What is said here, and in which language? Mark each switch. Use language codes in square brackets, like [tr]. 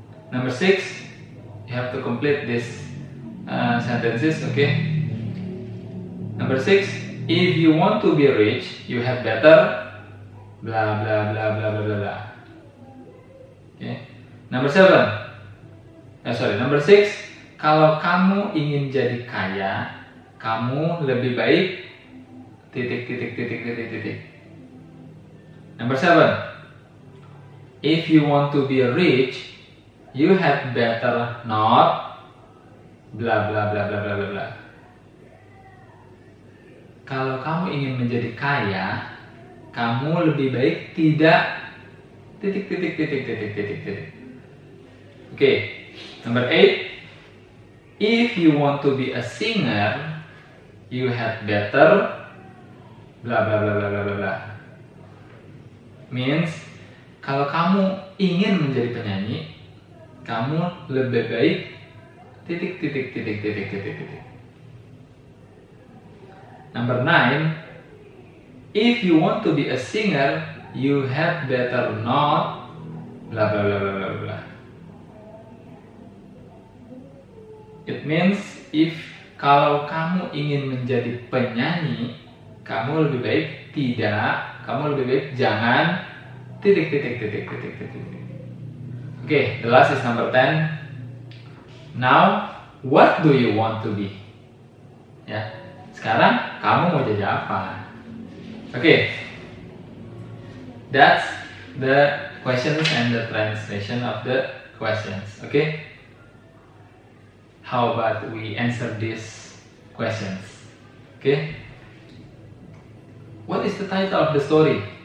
[en] Number six, you have to complete this sentences, okay? Number six, if you want to be rich, you have better blah blah blah blah blah blah blah. Okay. Number seven. Number six. [id] Kalau kamu ingin jadi kaya, kamu lebih baik titik titik titik titik titik. [en] Number seven. If you want to be rich, you have better not blah blah blah blah blah blah blah. [id] Kalau kamu ingin menjadi kaya, kamu lebih baik tidak titik titik titik titik titik titik. [en] Oke, number 8. If you want to be a singer, you have better blah blah blah blah blah blah. Means [id] kalau kamu ingin menjadi penyanyi, kamu lebih baik titik titik titik titik titik titik. [en] Number 9, if you want to be a singer, you had better not blah blah blah blah blah. It means if [id] kalau kamu ingin menjadi penyanyi, kamu lebih baik tidak, kamu lebih baik jangan titik titik titik titik titik. [en] Okay, the last is number 10. Now, what do you want to be? Yeah. [id] Sekarang kamu mau jadi apa? [en] Okay, that's the questions and the translation of the questions. Okay, how about we answer these questions? Okay, what is the title of the story?